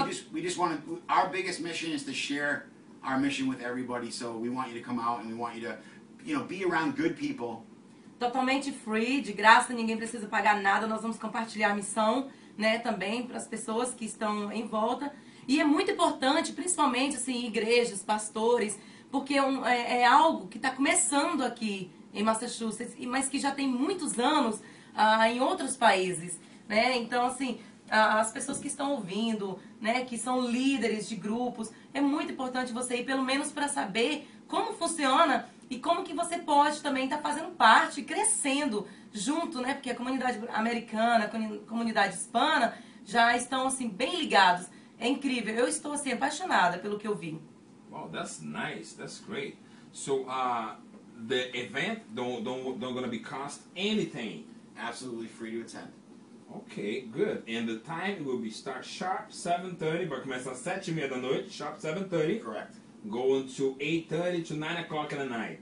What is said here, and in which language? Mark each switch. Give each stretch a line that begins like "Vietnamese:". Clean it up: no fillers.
English: Our biggest mission is to share our mission with everybody. So we want you to come out and we want you to, you know, be around good people.
Portuguese: Totalmente free, de graça, ninguém precisa pagar nada. Nós vamos compartilhar a missão, né, também para as pessoas que estão em volta. E é muito importante, principalmente, assim, igrejas, pastores, porque é algo que está começando aqui em Massachusetts, mas que já tem muitos anos em outros países, né? Então, assim, as pessoas que estão ouvindo, né, que são líderes de grupos, é muito importante você ir, pelo menos, para saber como funciona e como que você pode também estar fazendo parte, crescendo junto, né? Porque a comunidade americana, a comunidade hispana já estão, assim, bem ligados. É incrível, eu estou assim apaixonada pelo que eu vi.
English: Wow, that's nice, that's great. So, the event don't gonna be cost anything. Absolutely free to attend. Okay, good. And the time will be start sharp 7:30,
Portuguese: vai começar às 7:30 da noite,
English: sharp 7:30. Correct. Going to 8:30 to 9 o'clock in the night.